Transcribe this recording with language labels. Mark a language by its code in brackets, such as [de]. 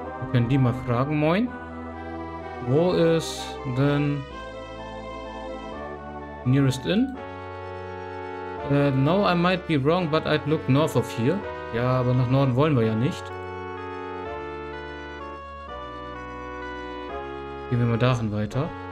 [de] Können die mal fragen, moin, wo ist denn [en] nearest inn? No, I might be wrong, but I'd look north of here. [de] Ja, aber nach Norden wollen wir ja nicht. Gehen wir mal dahin weiter.